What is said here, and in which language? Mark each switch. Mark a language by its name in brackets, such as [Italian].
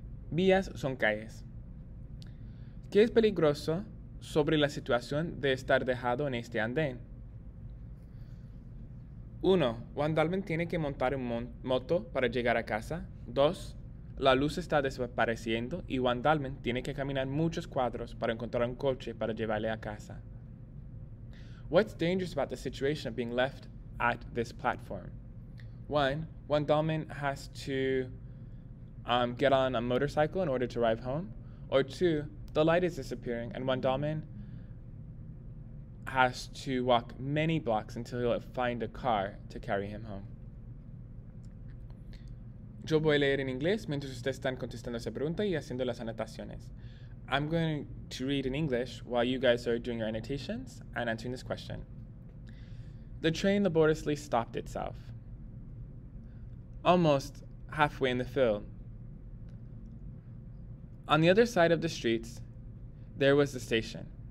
[Spanish] Vías son calles. ¿Qué es peligroso sobre la situación de estar dejado en este andén? 1. Juan Dalvin tiene que montar un moto para llegar a casa. 2. La luz está desapareciendo y Juan Dalvin tiene que caminar muchos cuadros para encontrar un coche para llevarle a casa. [English] What's dangerous about the situation of being left at this platform? 1. Juan Dalman has to get on a motorcycle in order to arrive home. Or 2. The light is disappearing and Juan Dalman has to walk many blocks until he'll find a car to carry him home. [Spanish] Yo voy a leer en inglés mientras ustedes están contestando esa pregunta y haciendo las anotaciones. [English] I'm going to read in English while you guys are doing your annotations and answering this question. The train laboriously stopped itself. Almost halfway in the field. On the other side of the streets, there was the station.